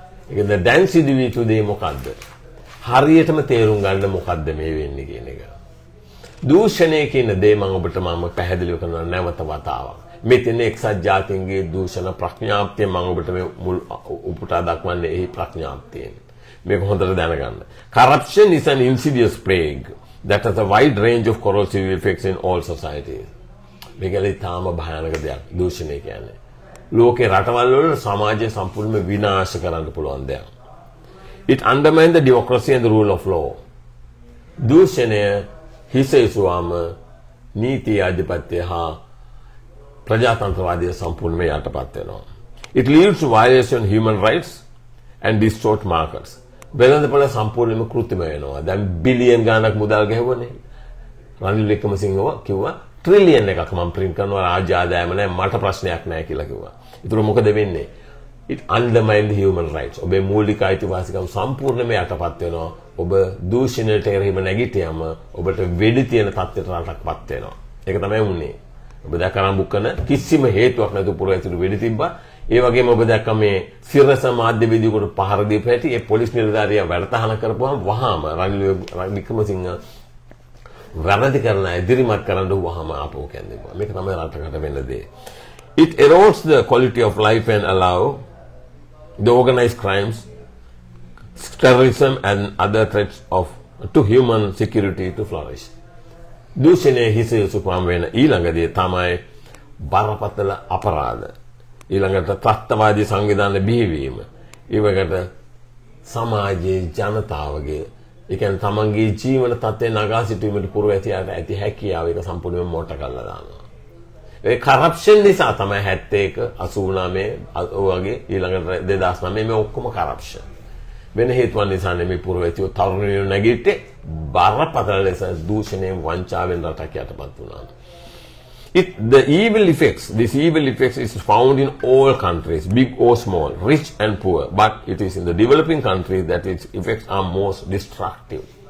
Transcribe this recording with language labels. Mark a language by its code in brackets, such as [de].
[si] ඒක දැන් සිදු විය යුතු දේ මොකද්ද? හරියටම තේරුම් ගන්න මොකද්ද මේ වෙන්නේ කියන එක. දූෂණය කියන දේ මම ඔබට මම පැහැදිලි කරන නැවත වතාවක්. මෙතන එක්සත් ජාතීන්ගේ දූෂණ ප්‍රඥාප්තිය මම ඔබට මේ මුල් උපුටා දක්වන්නේ එහි ප්‍රඥාප්තියෙන්. මේක හොඳට දැනගන්න. [en] Corruption is an insidious plague that has a wide range of corrosive effects in all societies. [si] මේකලි තාම භයානක දෙයක් දූෂණය කියන්නේ. ලෝකේ රටවල් වල සමාජය සම්පූර්ණයෙන් විනාශ කරන්න පුළුවන් දෙයක්. [en] It undermines the democracy and the rule of law. [si] දූෂණය හිසේසුවාම නීති ආධිපත්‍ය හා ප්‍රජාතන්ත්‍රවාදය සම්පූර්ණයෙන් යටපත් වෙනවා. [en] It leads to violation of human rights and distort markets. [si] වෙළඳපොළ සම්පූර්ණයෙන්ම කෘත්‍රිම වෙනවා. දැන් බිලියන් ගණනක් මුදල් ගහවන්නේ. රනිල් වික්‍රමසිංහව කිව්වා ට්‍රිලියන් එකක් මම print කරනවා රාජ්‍ය ආදායම නැහැ මට ප්‍රශ්නයක් නැහැ කියලා කිව්වා. ඒතර මොකද වෙන්නේ? [en] It undermines the human rights. [si] ඔබේ මූලික අයිතිවාසිකම් සම්පූර්ණයෙන්ම යටපත් වෙනවා. ඔබ දූෂණයට එරෙහිව නැගිටියම ඔබට වෙඩි තියෙන තත්ත්වයකට රටක්පත් වෙනවා. ඒක තමයි වුනේ. ඔබ දැක්කනම් බුක්කන කිසිම හේතුවක් නැතුව පුරවැසියට වෙඩි තිබ්බා. ඒ වගේම ඔබ දැක්ක මේ සිරස මාධ්‍ය වේදිකාවට පහර දීපු හැටි ඒ පොලිස් නිලධාරියා වැඩතහන කරපුවාම වහාම රනිල් වික්‍රමසිංහ වැරදි කරන ඉදිරිමත් කරන්න වහාම ආපෝ කියන්නේ. මේක තමයි රටකට වෙන්න දේ. [en] It erodes the quality of life and allow the organized crimes, terrorism and other threats of to human security to flourish. [si] දූෂණය හිසේසු ප්‍රම වෙන ඊළඟදී තමයි බරපතල අපරාධ. ඊළඟට ත්‍ත්තවාදී සංවිධාන බිහිවීම. ඊවකට සමාජයේ ජනතාවගේ ඒ කියන්නේ තමන්ගේ ජීවන තත්ත්වේ නගා සිටීමට පුරව ඇති හැකියාව ඒක සම්පූර්ණයෙන් මෝට කරලා දානවා. ඒ කරප්ෂන් නිසා තමයි 71 89 වගේ ඊළඟට 2009 මේ ඔක්කොම කරප්ෂන්. වෙන හේතුවක් නිසා නෙමෙයි පුරව ඇතිව තරුණයෝ නැගිට්ටේ බරපතල ලෙස දූෂණයෙන් වංචාවෙන් රටක් යටපත් වුණා. [en] The evil effects is found in all countries, big or small, rich and poor. But it is in the developing countries that its effects are most destructive.